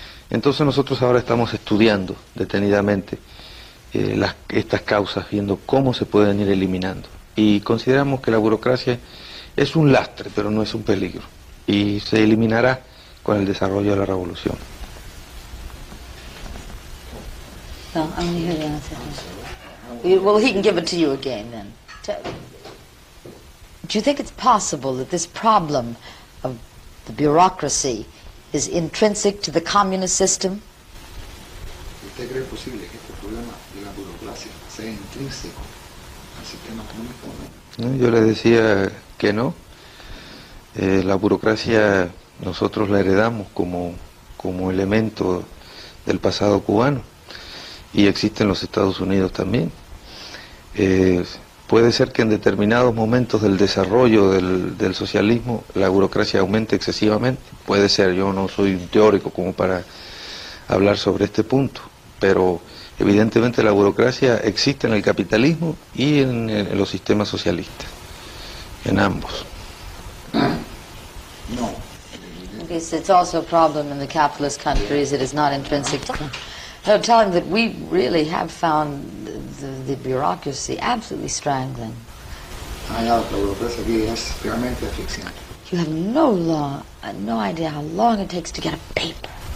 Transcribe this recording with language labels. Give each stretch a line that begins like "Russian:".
Spanish: Entonces nosotros ahora estamos estudiando detenidamente estas causas, viendo cómo se pueden ir eliminando. Y consideramos que la burocracia es un lastre, pero no es un peligro. Y se eliminará con el desarrollo de la revolución.
English: Well, he can give it to you again then. Do you think it's possible that this problem of the bureaucracy is intrinsic to the communist system?
Spanish: ¿Usted cree posible que este problema de la burocracia sea intrínseco al sistema comunista? Yo le decía que no. La burocracia nosotros la heredamos como elemento del pasado cubano y existe en los Estados Unidos también. Puede ser que en determinados momentos del desarrollo del socialismo la burocracia aumente excesivamente, puede ser, yo no soy un teórico como para hablar sobre este punto, pero evidentemente la burocracia existe en el capitalismo y en los sistemas socialistas, en ambos. No.
English: It's also a problem in the capitalist countries, it is not intrinsic to... No, tell him that we really have found the bureaucracy absolutely strangling. You have no idea how long it takes to get a paper.